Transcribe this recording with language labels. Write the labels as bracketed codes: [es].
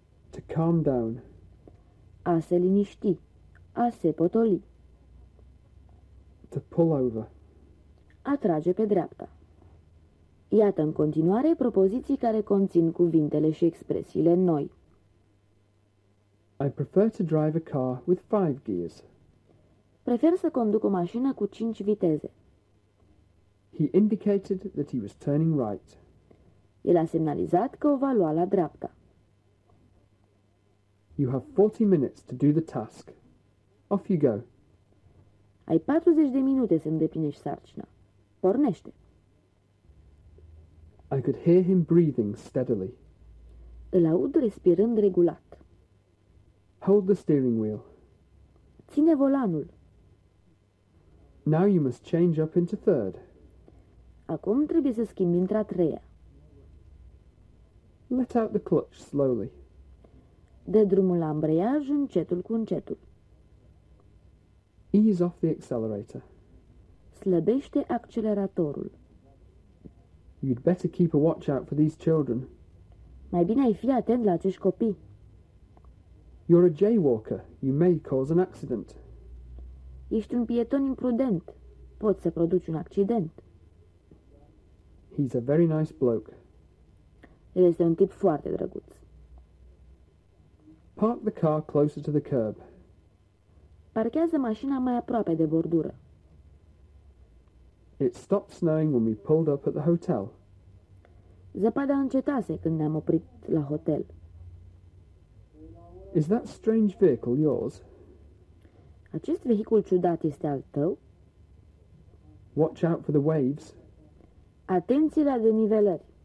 [en] To calm down. [ro] A se liniști, a se potoli. [en] To pull over. [ro] A trage pe dreapta. Iată în continuare propoziții care conțin cuvintele și expresiile noi. [en] I prefer to drive a car with 5 gears. [ro] Prefer să conduc o mașină cu 5 viteze. [en] He indicated that he was turning right. [ro] El a semnalizat că o va lua la dreapta. [en] You have 40 minutes to do the task. Off you go. [ro] Ai 40 de minute să îndeplinești sarcina. Pornește. [en] I could hear him breathing steadily. [ro] Îl aud respirând regulat. [en] Hold the steering wheel. [ro] Ține volanul. [en] Now you must change up into third. [ro] Acum trebuie să schimbi într-a treia. [en] Let out the clutch slowly. [ro] Dă drumul la ambreiaj încetul cu încetul. [en] Ease off the accelerator. [ro] Slăbește acceleratorul. [en] You'd better keep a watch out for these children. [ro] Mai bine ai fi atent la acești copii. [en] You're a jaywalker. You may cause an accident. [ro] Ești un pieton imprudent. Poți să produci un accident. [en] He's a very nice bloke. [ro] El este un tip foarte drăguț. [en] Park the car closer to the curb. [ro] Parchează mașina mai aproape de bordură. [en] It stopped snowing when we pulled up at the hotel. [ro] Zăpada încetase când ne-am oprit la hotel. [en] Is that strange vehicle yours? [ro] Acest vehicul ciudat este al tău? [en] Watch out for the waves. [ro] Atenție la denivelări.